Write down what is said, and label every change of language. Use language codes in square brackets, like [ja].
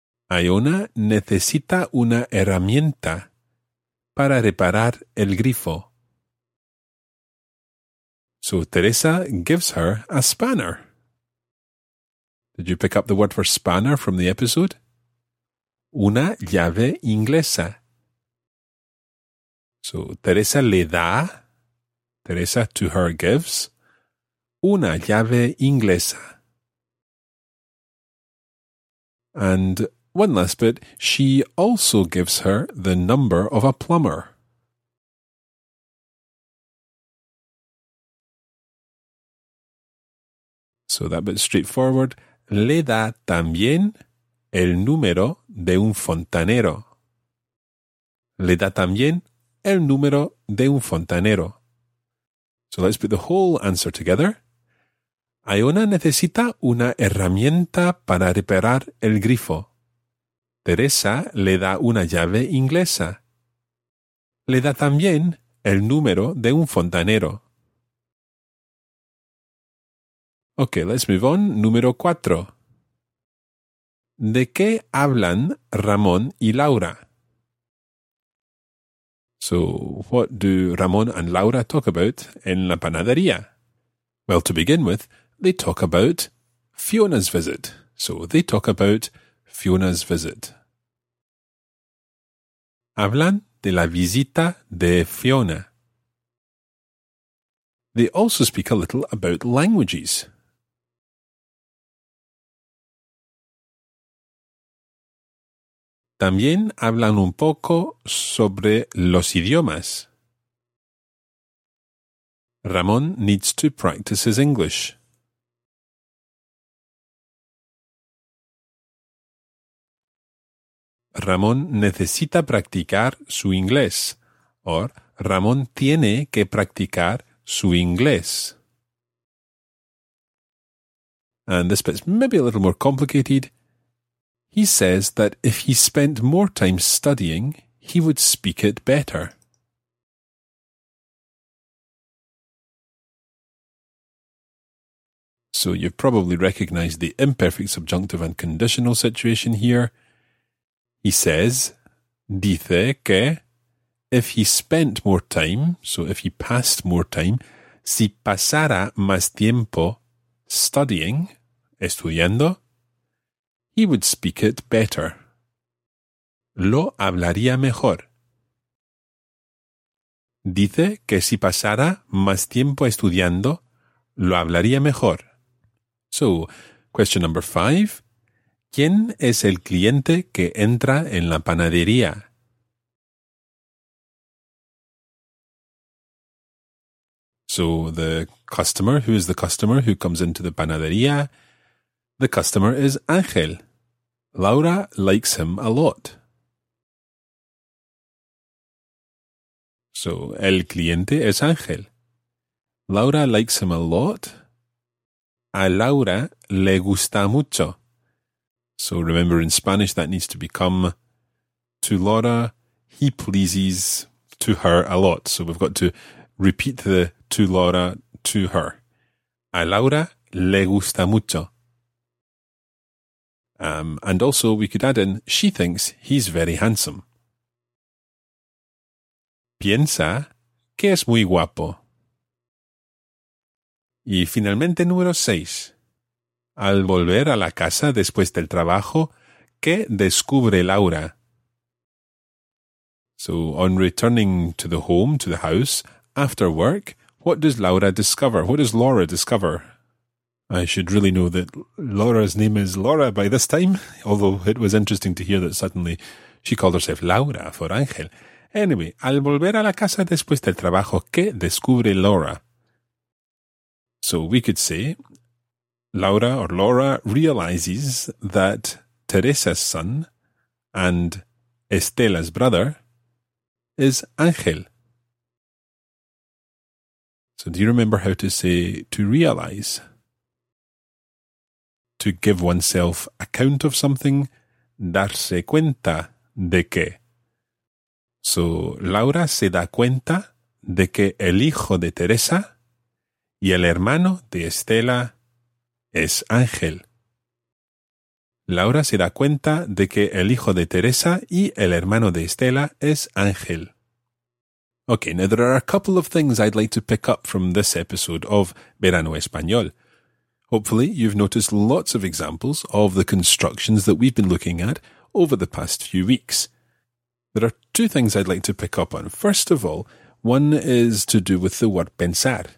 [es] Ayona necesita una herramienta para reparar el grifo. [en] So, Teresa gives her a spanner. Did you pick up the word for spanner from the episode? [es] Una llave inglesa. So, Teresa le da, Teresa [en] to her gives, [es] una llave inglesa. [en] And one last bit, she also gives her the number of a plumber. So, that bit's straightforward. [es] Le da también el número de un fontanero. Le da también el número de un fontanero. [en] So let's put the whole answer together. [es] Ayona necesita una herramienta para reparar el grifo. Teresa le da una llave inglesa. Le da también el número de un fontanero. [en] Okay, let's move on. [es] Número cuatro. ¿De qué hablan Ramón y Laura? [en] So, what do Ramón and Laura talk about [es] en la panadería? [en] Well, to begin with, they talk about Fiona's visit. So, they talk about Fiona's visit. [es] Hablan de la visita de Fiona. [en] They also speak a little about languages. [es] También hablan un poco sobre los idiomas. [en] Ramón needs to practice his English. [es] Ramón necesita practicar su inglés. O Ramón tiene que practicar su inglés. [en] And this bit's maybe a little more complicated. He says that if he spent more time studying, he would speak it better. So you've probably recognized the imperfect subjunctive and conditional situation here. He says, [es] dice que, [en] if he spent more time, so if he passed more time, [es] si pasara más tiempo [en] studying, [es] estudiando, [en] he would speak it better. [es] Lo hablaría mejor. Dice que si pasara más tiempo estudiando, lo hablaría mejor. [en] So, question number 5. [es] ¿Quién es el cliente que entra en la panadería? [en] So, the customer, who is the customer who comes into the panadería? The customer is Ángel. Laura likes him a lot. So, [es] el cliente es Ángel. [en] Laura likes him a lot. [es] A Laura le gusta mucho. [en] So, remember in Spanish that needs to become to Laura, he pleases to her a lot. So, we've got to repeat the to Laura to her. [es] A Laura le gusta mucho. [en] And also, we could add in, she thinks he's very handsome. [es] Piensa que es muy guapo. Y finalmente, número 6. Al volver a la casa después del trabajo, ¿qué descubre Laura? [en] So, on returning to the home, to the house, after work, what does Laura discover? What does Laura discover? I should really know that Laura's name is Laura by this time, although it was interesting to hear that suddenly she called herself Laura for Ángel. [es] Anyway, al volver a la casa después del trabajo, ¿qué descubre Laura? [en] So we could say, Laura or Laura realizes that Teresa's son and Estela's brother is Ángel. So do you remember how to say to realize? To give oneself account of something, [es] darse cuenta de que. So, Laura se da cuenta de que el hijo de Teresa y el hermano de Estela es Ángel. Laura se da cuenta de que el hijo de Teresa y el hermano de Estela es Ángel. [en] Okay, now there are a couple of things I'd like to pick up from this episode of Verano Español. Hopefully, you've noticed lots of examples of the constructions that we've been looking at over the past few weeks. There are two things I'd like to pick up on. First of all, one is to do with the word pensar.